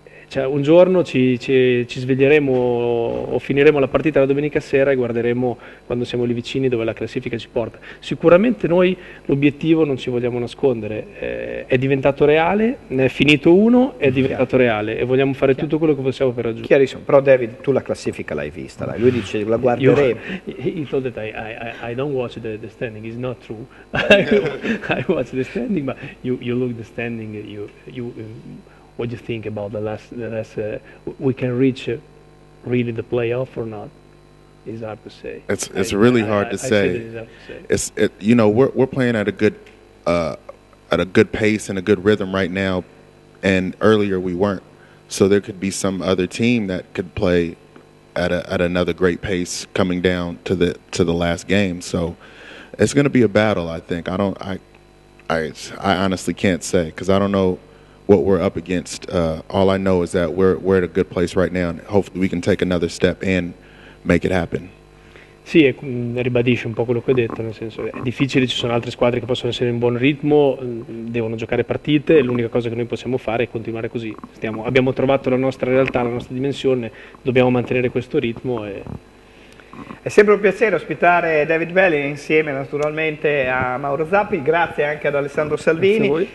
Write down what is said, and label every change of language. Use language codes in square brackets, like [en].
[it] Cioè, un giorno ci sveglieremo o finiremo la partita la domenica sera e guarderemo quando siamo lì vicini dove la classifica ci porta. Sicuramente noi l'obiettivo non ci vogliamo nascondere, è diventato reale, ne è finito uno, è diventato chiaro. Reale e vogliamo fare chiaro. Tutto quello che possiamo per raggiungere. Chiarissimo, però David, tu la classifica l'hai vista, dai. Lui dice la guarderemo. [en] He told that I don't watch the standing, it's not true. I watch the standing, but you look the standing, you what do you think about the last we can reach really the playoff or not? It's hard to say. It's really hard to say. We're playing at a good pace and a good rhythm right now, and earlier we weren't. So there could be some other team that could play at another great pace coming down to the last game. So it's going to be a battle, I think. I honestly can't say because I don't know what we're up against. All I know is that we're at a good place right now, and hopefully we can take another step and make it happen. [it] Sì, ribadisce un po' quello che ho detto, nel senso è difficile, ci sono altre squadre che possono essere in buon ritmo, devono giocare partite, l'unica cosa che noi possiamo fare è continuare così. Abbiamo trovato la nostra realtà, la nostra dimensione, dobbiamo mantenere questo ritmo e... È sempre un piacere ospitare David Bellin insieme naturalmente a Mauro Zappi, grazie anche ad Alessandro Salvini.